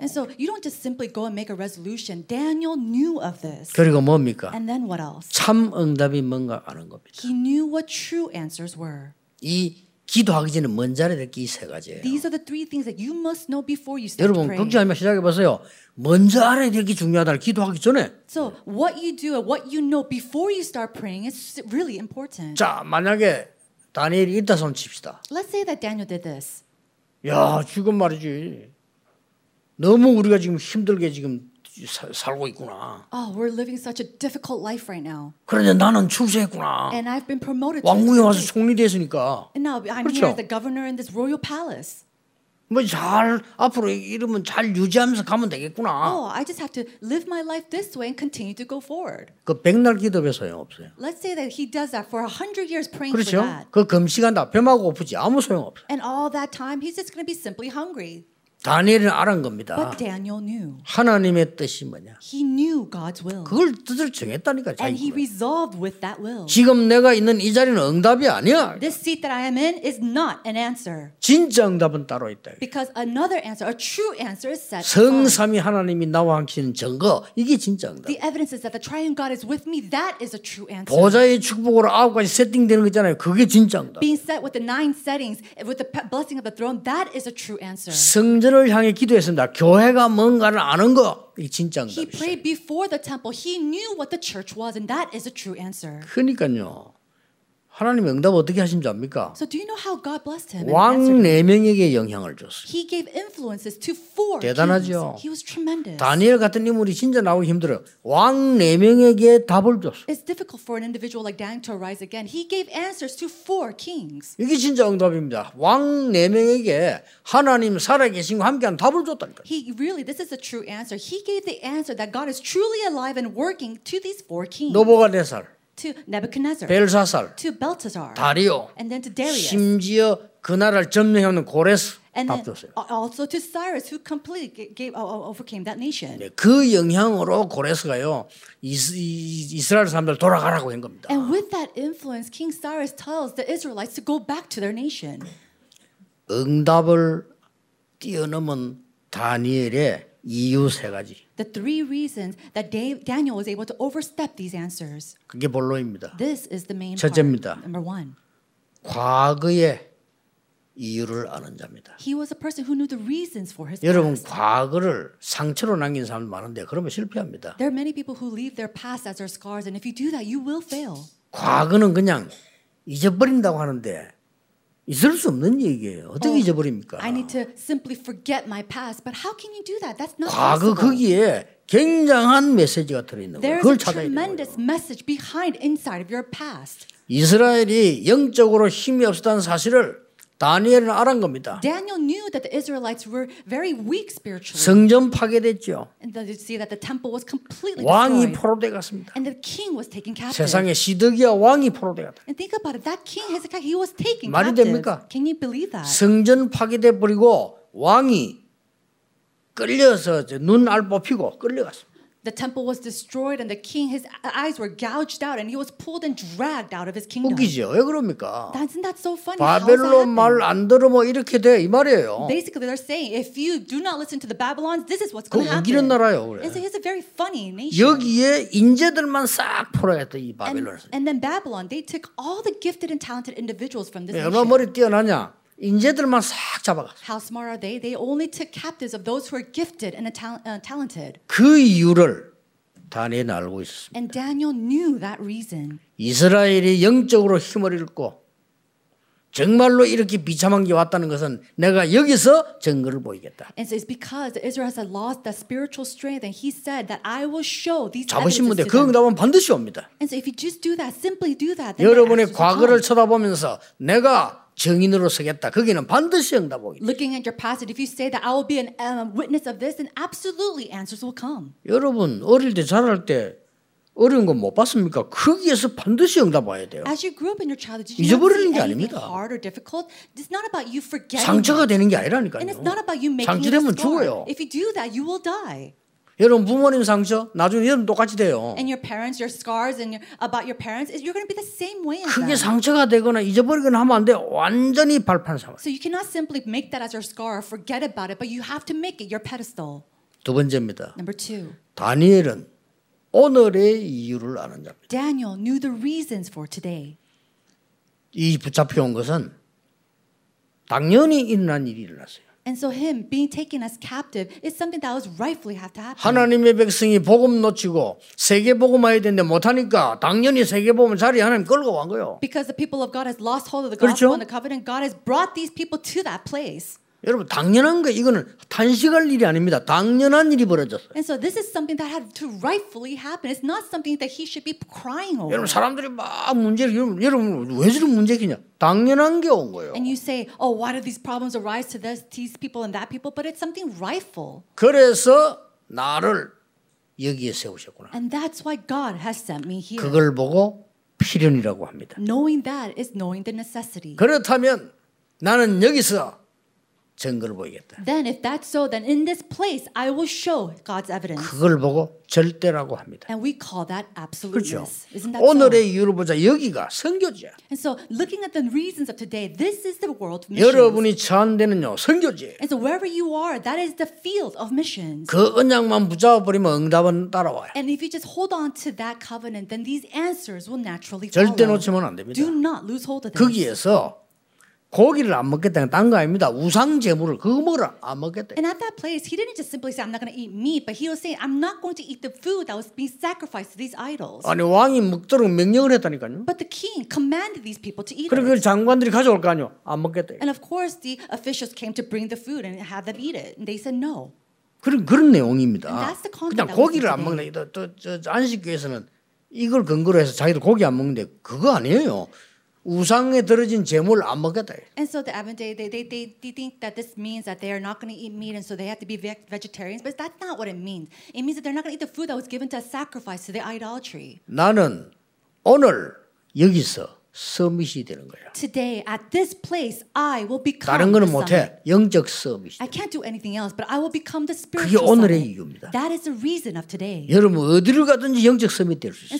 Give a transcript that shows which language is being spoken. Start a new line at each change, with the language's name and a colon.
English: And so you don't just simply go and make a resolution. Daniel knew of this.
Korean: 그리고 뭡니까?
English: And then what else?
Korean: 참 응답이 뭔가 아는 겁니다.
English: He knew what true answers were.
Korean: 이 기도하기 전에 먼저 알아야 될 게 이 세 가지예요.
English: These are the three things that you must know before you start praying.
Korean: 여러분 걱정하지 마 시작해 보세요. 먼저 알아야 될 게 중요하다. 기도하기 전에.
English: So what you do and what you know before you start praying is really important.
Korean: 자 만약에 다니엘이 있다 손 칩시다.
English: Let's say that Daniel did this.
Korean: 야, 지금 말이지. 너무 우리가 지금 힘들게 지금 살고 있구나.
English: Oh, we're living such a difficult life right now.
Korean: 그런데 나는 출세했구나.
English: And I've been promoted.
Korean: 왕궁에 와서 총리 됐으니까.
English: And now I'm
Korean: 그렇죠?
English: here as the governor in this royal palace.
Korean: 뭐 잘 앞으로 이러면 잘 유지하면서 가면 되겠구나.
English: Oh, I just have to live my life this way and continue to go forward.
Korean: 그 백날 기도에 소용 없어요.
English: Let's say that he does that for 100 years praying
Korean: 그렇죠?
English: for that.
Korean: 그 금식한다 배마고 고프지 아무 소용 없어.
English: And all that time he's just going to be simply hungry.
Korean: 다니엘은 알은 겁니다.
English: But Daniel knew.
Korean: 하나님의 뜻이 뭐냐?
English: He knew God's will.
Korean: 그걸 뜻을 정했다니까. 자기
English: And he resolved with that will.
Korean: 지금 내가 있는 이 자리는 응답이 아니야.
English: This seat that I am in is not an answer.
Korean: 진짜 응답은 따로 있다.
English: Because another answer, a true answer is set.
Korean: 성삼위 하나님이 나와 함께하는 증거, 이게 진짜 응답.
English: The evidence is that the triune God is with me. That is a true answer.
Korean: 보좌의 축복으로 아홉 가지 세팅되는 거잖아요. 그게 진짜 응답.
English: Being set with the nine settings, with the blessing of the throne, that is a true answer.
Korean: 성전을 향해 기도했습니다. 교회가 뭔가를 아는 거.
English: He prayed before the temple. He knew what the church was, and that is a true answer.
Korean: 그러니까요, 하나님 응답 어떻게 하신지 압니까?
English: So do you know how God blessed him?
Korean: 왕 네 명에게 영향을 줬어요.
English: He gave influences to four.
Korean: 대단하죠.
English: He was tremendous.
Korean: 다니엘 같은 인물이 진짜 나오기 힘들어. 왕 네 명에게 답을 줬어.
English: It's difficult for an individual like Daniel to arise again. He gave answers to four kings.
Korean: 이게 진짜 응답입니다. 왕 네 명에게 하나님 살아계신과 함께한 답을 줬다니까.
English: He really, this is a true answer. He gave the answer that God is truly alive and working to these four kings.
Korean: 느부갓네살.
English: To Nebuchadnezzar,
Korean: 벨사살,
English: to Belshazzar,
Korean: 다리오,
English: and then to Darius.
Korean: 심지어 그 나라를 점령하는 고레스
English: and
Korean: 답 줬어요.
English: Also to Cyrus, who completely gave overcame that nation.
Korean: 네, 그 영향으로 고레스가요 이스라엘 사람들 돌아가라고 한 겁니다.
English: And with that influence, King Cyrus tells the Israelites to go back to their nation.
Korean: 응답을 뛰어넘은 다니엘의 이유 세 가지.
English: The three reasons that Daniel was able to overstep these answers.
Korean: 그게 본론입니다.
English: This is the main
Korean: 첫째입니다.
English: part. Number one.
Korean: 과거의 이유를 아는 자입니다.
English: He was a person who knew the reasons for his past.
Korean: 여러분 과거를 상처로 남긴 사람 많은데 그러면 실패합니다.
English: There are many people who leave their past as their scars, and if you do that, you will fail.
Korean: 과거는 그냥 잊어버린다고 하는데. 있을 수 없는 얘기예요. 어떻게 잊어버립니까?
English: I need to simply forget my past, but how can you do that? That's not
Korean: 과거 거기에 굉장한 메시지가 들어 있는 거예요. 그걸 찾아야 돼요.
English: There is a tremendous message behind inside of your past.
Korean: 이스라엘이 영적으로 힘이 없었다는 사실을 다니엘은 알은 겁니다.
English: Daniel knew that the Israelites were very weak spiritually.
Korean: 성전 파괴됐죠.
English: And they see that the temple was completely
Korean: 왕이
English: destroyed.
Korean: 왕이 포로되었습니다.
English: And the king was taken captive.
Korean: 세상에 시드기야 왕이 포로되었다.
English: And think about it. That king Hezekiah, he was taken
Korean: 말이
English: captive.
Korean: 됩니까?
English: Can you believe that?
Korean: 성전 파괴돼 버리고 왕이 끌려서 눈 알 뽑히고 끌려갔습니다.
English: The temple was destroyed and the king, his eyes were gouged out and he was pulled and dragged out of his kingdom.
Korean: 웃기죠? 왜 그럽니까?
English: Isn't that so funny?
Korean: 바벨론 말 안 들으면 이렇게 돼 이 말이에요.
English: Basically, they're saying if you do not listen to the Babylons, this is what's going to happen.
Korean: 웃기는 나라요, 그래.
English: And so he's a very funny nation.
Korean: 여기에 인재들만 싹 풀어야 돼 이 바벨론.
English: And then Babylon, they took all the gifted and talented individuals from this.
Korean: 얼마나 머리 뛰어나냐? 인재들만 싹 잡아갔어.
English: How smart are they? They only took captives of those who are gifted and talented.
Korean: 그 이유를 다니엘 알고 있었습니다.
English: And Daniel knew that reason.
Korean: 이스라엘이 영적으로 힘을 잃고 정말로 이렇게 비참한 게 왔다는 것은 내가 여기서 증거를 보이겠다.
English: And so it's because Israel has lost that spiritual strength, and he said that I will show these.
Korean: 잡으시면 돼. 그 응답은 반드시 옵니다.
English: And so if you just do that, simply do that, then
Korean: 여러분의 과거를 쳐다보면서 내가 증인으로 서겠다. 거기는 반드시 응답 오겠다.
English: Looking at your past, if you say that I will be an witness of this, then absolutely answers will come.
Korean: 여러분 어릴 때 자랄 때 어려운 거 못 봤습니까? 거기에서 반드시 응답 와야 돼요.
English: As you grew up in your childhood, did you
Korean: 잊어버리는 게 아닙니다.
English: Hard or difficult, it's not about you forgetting.
Korean: 상처가 되는 게 아니라니까요.
English: And it's not about you making.
Korean: 상처되면 죽어요.
English: If you do that, you will die.
Korean: 여러분 부모님 상처 나중에 여러분 똑같이 돼요.
English: And your parents, your scars, and your, about your parents, you're going to be the same way.
Korean: 그게 상처가 되거나 잊어버리거나 하면 안 돼. 완전히 발판 삼아.
English: So you cannot simply make that as your scar or forget about it, but you have to make it your pedestal.
Korean: 두 번째입니다.
English: Number two.
Korean: 다니엘은 오늘의 이유를 아는 자입니다.
English: Daniel knew the reasons for today.
Korean: 이 붙잡혀 온 것은 당연히 일어난 일이 일어났어요.
English: And so him being taken as captive is something that was rightfully have to happen.
Korean: 하나님의 백성이 복음 놓치고 세계 복음화해야 되는데 못하니까 당연히 세계 복음 자리 하나님 끌고 간 거요.
English: Because the people of God has lost hold of the
Korean: 그렇죠?
English: gospel and the covenant, God has brought these people to that place.
Korean: 여러분 당연한 거 이거는 탄식할 일이 아닙니다. 당연한 일이 벌어졌어요.
English: And so this is something that had to rightfully happen. It's not something that he should be crying over.
Korean: 여러분 사람들이 막 문제를 여러분 왜 저런 문제겠냐? 당연한 게 온 거예요.
English: And you say, oh, why do these problems arise to these people and that people? But it's something rightful.
Korean: 그래서 나를 여기에 세우셨구나.
English: And that's why God has sent me here.
Korean: 그걸 보고 필연이라고 합니다.
English: Knowing that is knowing the necessity.
Korean: 그렇다면 나는 여기서 증거를 보이겠다.
English: Then if that's so, then in this place I will show God's evidence.
Korean: 그걸 보고 절대라고 합니다.
English: And we call that absoluteness.
Korean: 그렇죠?
English: Isn't that
Korean: 오늘의
English: so?
Korean: 이유를 보자. 여기가 선교지야.
English: And so looking at the reasons of today, this is the world mission.
Korean: 여러분이 처한 데는요, 선교지예요.
English: And so wherever you are, that is the field of missions.
Korean: 그 언약만 붙잡아 버리면 응답은 따라와요.
English: And if you just hold on to that covenant, then these answers will naturally follow.
Korean: 절대 놓치면 안 됩니다.
English: Do not lose hold of this.
Korean: 거기에서 고기를 안 먹겠다는 딴 거 아닙니다. 우상 제물을 그거 먹으라 안 먹겠다.
English: And at that place, he didn't just simply say, "I'm not going to eat meat," but he was saying, "I'm not going to eat the food that was being sacrificed to these idols."
Korean: 아니 왕이 먹도록 명령을 했다니까요.
English: But the king commanded these people to eat.
Korean: 그리고 장관들이 가져올 거 아니요? 안 먹겠다.
English: And of course, the officials came to bring the food and have them eat it, and they said no.
Korean: 그런 내용입니다. 그냥 고기를 안 먹는 또 안식교에서는 이걸 근거로 해서 자기들 고기 안 먹는데 그거 아니에요. 우상에 들어진 제물 안 먹겠다.
English: And so the Adventists they think that this means that they are not going to eat meat and so they have to be vegetarians, but that's not what it means. It means that they're not going to eat the food that was given to a sacrifice to the idolatry.
Korean: 나는 오늘 여기서 서밋이 되는 거야.
English: Today at this place I will become.
Korean: 다른 거는 못해. 영적 서밋.
English: I can't do anything else, but I will become the spiritual.
Korean: 그게 오늘의 이유입니다.
English: That is the reason of today.
Korean: 여러분 어디를 가든지 영적 서밋 될 수 있어요.